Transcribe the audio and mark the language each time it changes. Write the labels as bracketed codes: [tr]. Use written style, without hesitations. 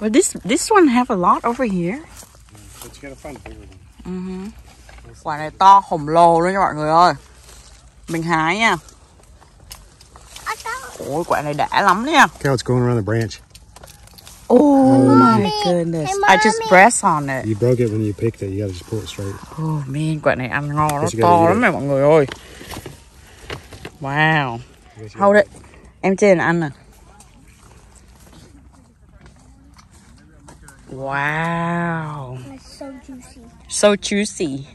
[en] But this one have a lot over here. Yeah, but you gotta find a bigger one. Mm-hmm. [vi] Quả này to khổng lồ luôn nha mọi người ơi. Mình hái nha. Ôi quả này đã lắm nha. [en] Cow, it's going around the branch. Oh my goodness. Hey, I just press on it. You broke it when you picked it. You gotta just pull it straight. Oh man, [vi] quả này ăn ngon lắm, to lắm nè mọi người ơi. [en] Wow. Hold it. [vi] Em chưa ăn nè. [en] Wow. So juicy. So juicy.